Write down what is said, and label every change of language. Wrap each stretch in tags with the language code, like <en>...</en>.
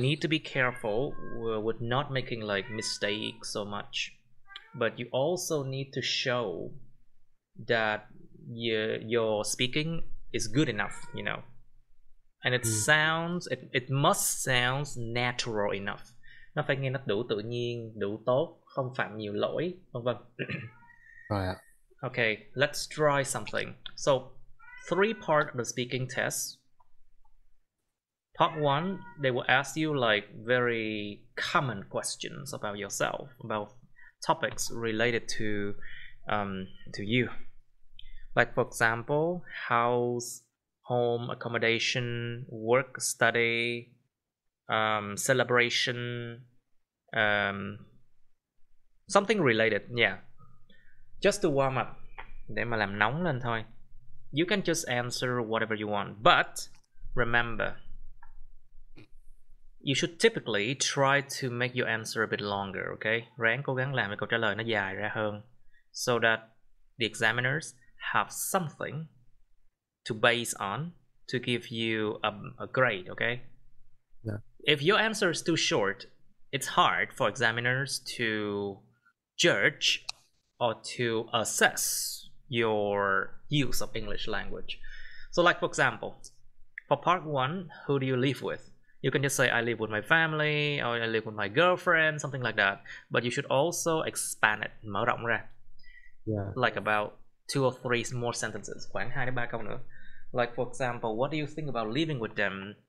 <en>need to be careful with not making like mistakes so much, but you also need to show that your speaking is good enough, you know. And it sounds, it must sound natural enough.</en> <vi>Nó phải nghe nó đủ tự nhiên, đủ tốt, không phạm nhiều lỗi, vân vân. Rồi ạ.</vi> <en>Okay, let's try something. So, 3 part of the speaking test. Part 1, they will ask you like very common questions about yourself, about topics related to you. Like for example, house, home, accommodation, work, study, celebration, something related, yeah. Just to warm up,</en> <vi>để mà làm nóng lên thôi.</vi> <en>You can just answer whatever you want, but remember, you should typically try to make your answer a bit longer, okay?</en> <vi>Ráng cố gắng làm cái câu trả lời nó dài ra hơn,</vi> <en>so that the examiners have something to base on to give you a grade, okay? Yeah. If your answer is too short, it's hard for examiners to judge or to assess your use of English language. So like for example, for part 1, who do you live with? You can just say, I live with my family, or I live with my girlfriend, something like that. But you should also expand it,</en> <vi>mở rộng ra.</vi> <en>Yeah. Like about 2 or 3 more sentences,</en> <vi>khoảng 2 đến 3 câu nữa.</vi> <en>Like for example, what do you think about living with them?</en>